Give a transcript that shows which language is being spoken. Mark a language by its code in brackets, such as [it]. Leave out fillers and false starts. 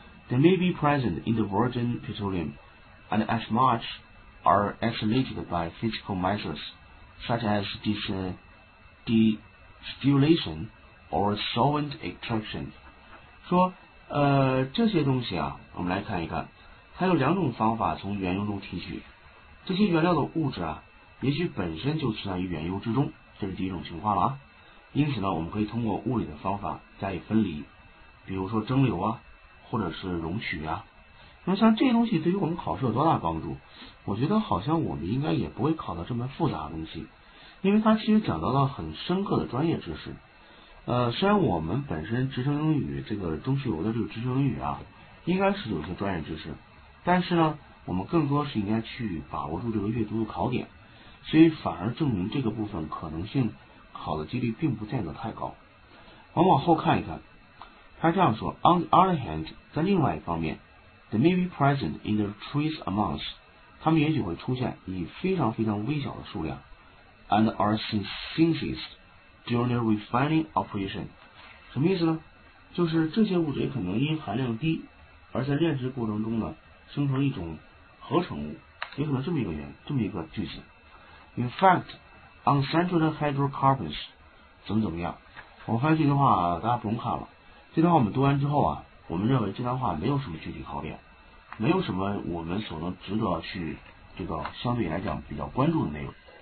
[en] They may be present in the virgin petroleum and as much are isolated by physical measures such as distillation or solvent extraction。 [zh] 说这些东西啊我们来看一看，它有两种方法从原油中提取这些原料的物质啊，也许本身就存在于原油之中，这是第一种情况了啊。因此呢我们可以通过物理的方法加以分离，比如说蒸馏啊或者是溶取啊。那么像这些东西对于我们考试有多大帮助？我觉得好像我们应该也不会考到这么复杂的东西，因为它其实讲到了很深刻的专业知识。虽然我们本身直升英语这个中石油的这个直升英语啊应该是有些专业知识，但是呢我们更多是应该去把握住这个阅读的考点，所以反而证明这个部分可能性考的几率并不见得太高。我们往后看一看，他这样说 [en] On the other hand， [zh] 在另外一方面 [en] They may be present in the trace amounts， [zh] 他们也许会出现以非常非常微小的数量。 [en] And are synthesis during the refining operation， [zh] 什么意思呢？就是这些物质也可能因含量低而在炼制过程中呢生成一种合成物，也可能这么一个句子。 [en] In fact, unsaturated hydrocarbons， [zh] 怎么怎么样？我发现这句话大家不用看了，这段话我们读完之后啊，我们认为这段话没有什么具体考点，没有什么我们所能值得去这个相对来讲比较关注的内容。